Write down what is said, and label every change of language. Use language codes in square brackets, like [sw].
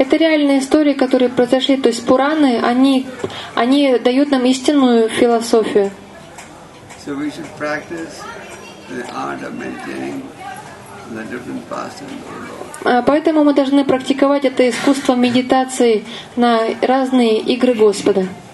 [ru] Это реальные истории, которые произошли. То есть Пураны, они дают нам истинную философию. [en] So we should practice the art of maintaining the different pastimes of the Lord. [ru] Поэтому мы должны практиковать это искусство медитации на разные игры Господа.